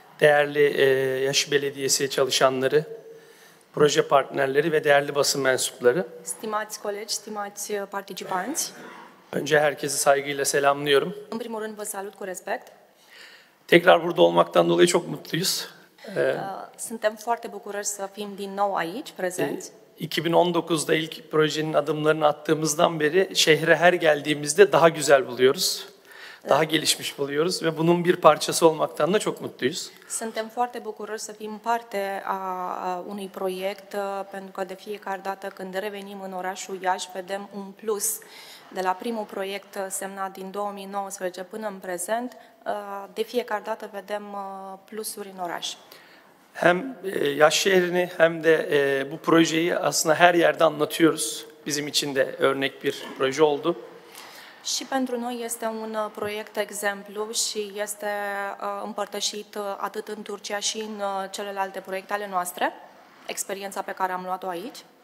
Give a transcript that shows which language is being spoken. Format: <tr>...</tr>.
<tr>Değerli Yaşı Belediyesi çalışanları, proje partnerleri ve değerli basın mensupları.</tr> <ro>Stimați colegi, stimați participanți.</ro> <tr>Önce herkesi saygıyla selamlıyorum.</tr> <ro>În primul rând vă salut cu respect.</ro> <tr>Tekrar burada olmaktan dolayı çok mutluyuz.</tr> <ro>Suntem foarte bucuroși să fim din nou aici prezenți.</ro> <tr>2019'da ilk projenin adımlarını attığımızdan beri şehre her geldiğimizde daha güzel buluyoruz. Daha gelişmiş buluyoruz ve bunun bir parçası olmaktan da çok mutluyuz.</tr> <ro>Suntem foarte bucuroși să fim parte a unui proiect pentru că de fiecare dată când revenim în orașul Iași vedem un plus de la primul proiect semnat din 2019 până în prezent. De fiecare dată vedem plusuri în oraș.</ro> <tr>Hem Yaş şehrini hem de bu projeyi aslında her yerde anlatıyoruz. Bizim için de örnek bir proje oldu.</tr> <ro>Și pentru noi este un proiect exemplu și este împărtășit atât în Turcia și în celelalte proiecte ale noastre, experiența pe care am luat-o aici.</ro>